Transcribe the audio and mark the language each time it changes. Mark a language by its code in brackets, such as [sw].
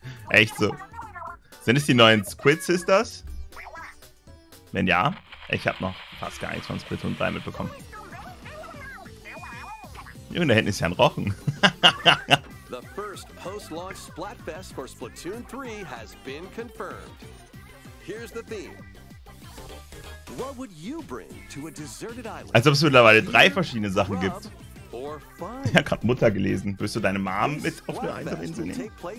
[de] Echt so. Sind es die neuen Squid Sisters? Wenn ja, ich habe noch fast gar nichts von Splatoon 3 mitbekommen. Junge, da hinten ist ja ein Rochen. [en] The first post-launch Splatfest for Splatoon 3 has been confirmed. Here's the theme. What would you bring to a deserted island? [de] Als ob es mittlerweile drei verschiedene Sachen gibt. Ich habe gerade Mutter gelesen. Wirst du deine Mom mit auf eine einsame Insel nehmen?